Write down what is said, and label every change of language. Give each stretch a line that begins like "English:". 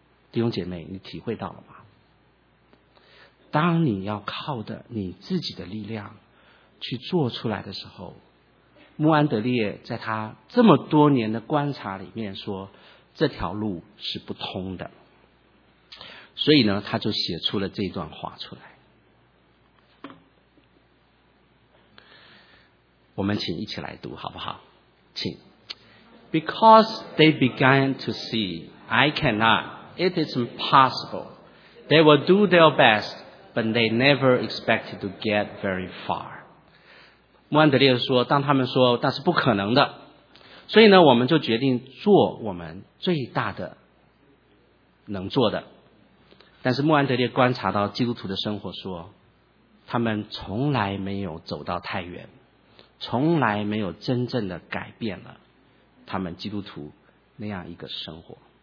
Chinese: 弟兄姐妹，你体会到了吗？当你要靠的你自己的力量去做出来的时候，穆安德烈在他这么多年的观察里面说，这条路是不通的。所以呢，他就写出了这段话出来。我们请一起来读好不好？请。
English: Because they began to see I cannot, it is impossible. They will do their best, but they never expected to get very far.
Chinese: 穆安德烈说，当他们说那是不可能的，所以呢我们就决定做我们最大的能做的。但是穆安德烈观察到基督徒的生活，说他们从来没有走到太远，从来没有真正的改变了他们基督徒那样一个生活。